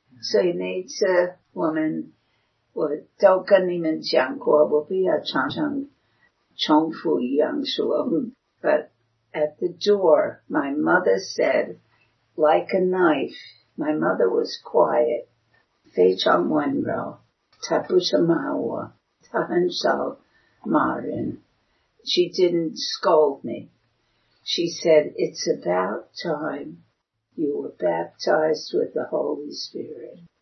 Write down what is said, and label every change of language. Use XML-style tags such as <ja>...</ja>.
<en>So, But at the door, my mother said, like a knife, my mother was quiet.</en> <zh>非常温柔,她不是骂我,她很少骂人.</zh> <en>She didn't scold me. She said, it's about time you were baptized with the Holy Spirit.</en>